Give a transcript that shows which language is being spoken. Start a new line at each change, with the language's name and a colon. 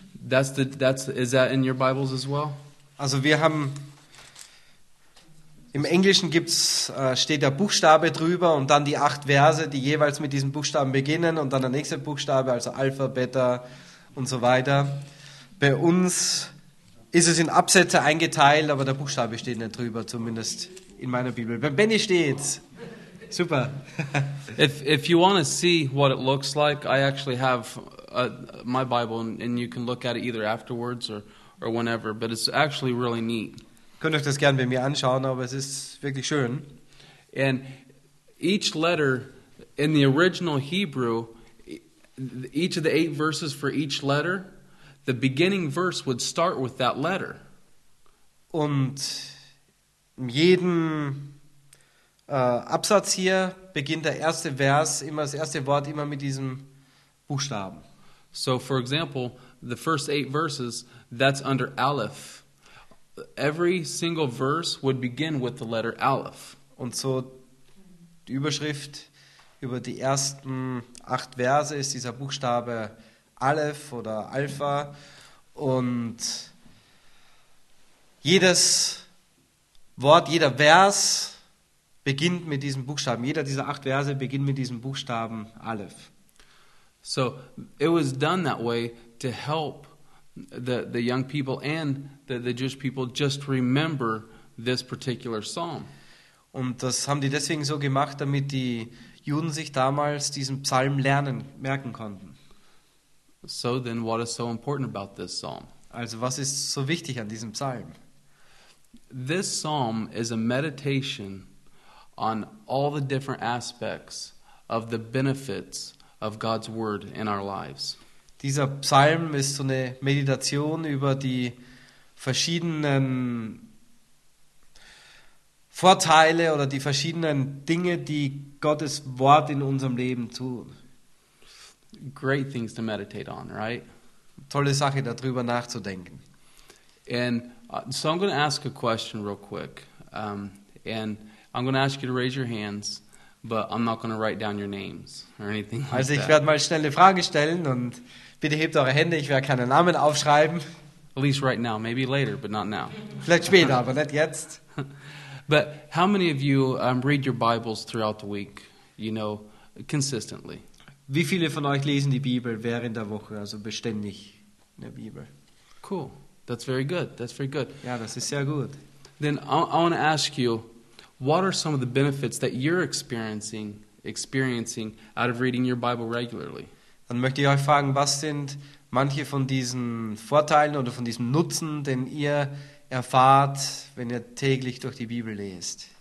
English: Is that in your Bibles as well?
German: Also wir haben Im Englischen steht der Buchstabe drüber und dann die 8 Verse, die jeweils mit diesen Buchstaben beginnen und dann der nächste Buchstabe, also Alpha, Beta und so weiter. Bei uns ist es in Absätze eingeteilt, aber der Buchstabe steht nicht drüber, zumindest in meiner Bibel. Bei Benny steht's. Super.
English: If you want to see what it looks like, I actually have my Bible and you can look at it either afterwards or whenever, but it's actually really neat.
German: Könnt euch das gerne bei mir anschauen, aber es ist wirklich schön.
English: And each letter in the original Hebrew, each of the 8 verses for each letter, the beginning verse would start with that letter.
German: Und in jedem Absatz hier beginnt der erste Vers, immer das erste Wort immer mit diesem Buchstaben.
English: So for example, the first 8 verses, that's under Aleph. Every single verse would begin with the letter Aleph.
German: Und so die Überschrift über die ersten 8 Verse ist dieser Buchstabe Aleph oder Alpha. Und jedes Wort, jeder Vers beginnt mit diesem Buchstaben. Jeder dieser 8 Verse beginnt mit diesem Buchstaben Aleph.
English: So it was done that way to help the young people and the Jewish people just remember this particular psalm.
German: Und das haben die deswegen so gemacht, damit die Juden sich damals diesen Psalm lernen, merken konnten.
English: So then what is so important about this psalm?
German: Also was ist so wichtig an diesem Psalm?
English: This psalm is a meditation on all the different aspects of the benefits of God's word in our lives.
German: Dieser Psalm ist so eine Meditation über die verschiedenen Vorteile oder die verschiedenen Dinge, die Gottes Wort in unserem Leben tun.
English: Great things to meditate on, right?
German: Tolle Sache, darüber nachzudenken.
English: And so I'm going to ask a question real quick. And I'm going to ask you to raise your hands, but I'm not going to write down your names or anything like that.
German: Also ich werde mal schnell eine Frage stellen und bitte hebt eure Hände, ich werde keinen Namen aufschreiben.
English: At least right now, maybe later, but not now.
German: Vielleicht später, aber nicht jetzt.
English: But how many of you read your Bibles throughout the week, you know, consistently?
German: Wie viele von euch lesen die Bibel während der Woche, also beständig in der Bibel?
English: Cool, that's very good, that's very good.
German: Ja, das ist sehr gut.
English: Then I want to ask you, what are some of the benefits that you're experiencing out of reading your Bible regularly?
German: Dann möchte ich euch fragen, was sind manche von diesen Vorteilen oder von diesem Nutzen, den ihr erfahrt, wenn ihr täglich durch die Bibel lest?